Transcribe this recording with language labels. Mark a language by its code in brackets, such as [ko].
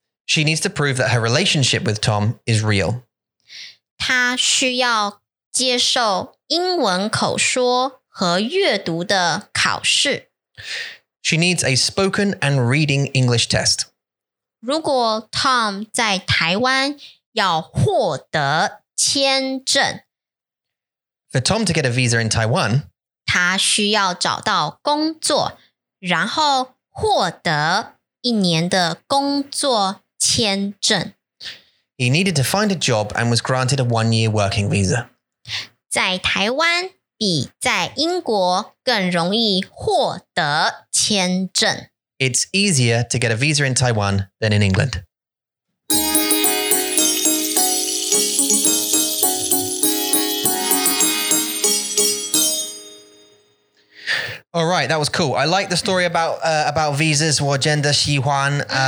[en] She needs to prove that her relationship with Tom is real [zh] 她需要接受英文口说和阅读的考试 [en] She needs a spoken and reading English test [zh] 如果 Tom 在台湾要获得签证 [en] For Tom to get a visa in Taiwan [zh] 他需要找到工作然后获得一年的工作签证 [en] He needed to find a job and was granted a one-year working visa [zh] 在台湾比在英国更容易获得签证 [en] It's easier to get a visa in Taiwan than in England. All right, that was cool. I like the story about visas, [zh] 我真的喜欢。